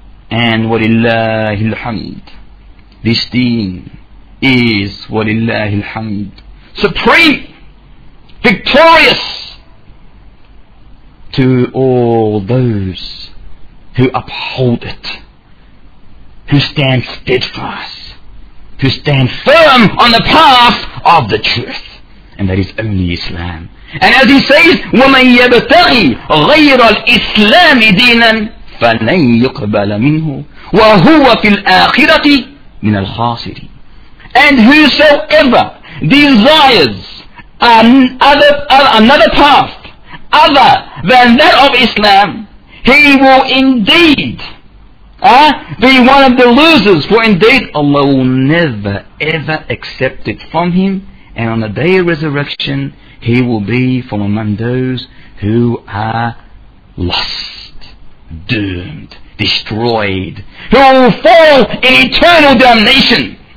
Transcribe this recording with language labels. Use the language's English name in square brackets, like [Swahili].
[English] And walillahi alhamd, this deen is walillahi alhamd, supreme, victorious to all those who uphold it. who stand steadfast, who stand firm on the path of the truth, and that is only Islam. And as he says, [Arabic] وَمَنْ يَبْتَغِي غَيْرَ الْإِسْلَامِ دِينًا فَلَنْ يُقْبَلَ مِنْهُ وَهُوَ فِي الْآخِرَةِ مِنَ الْخَاسِرِينَ. [English] And whosoever desires another path other than that of Islam, he will indeed be one of the losers, for indeed Allah will never ever accept it from him, and on the day of resurrection he will be from among those who are lost, doomed, destroyed, who will fall in eternal damnation.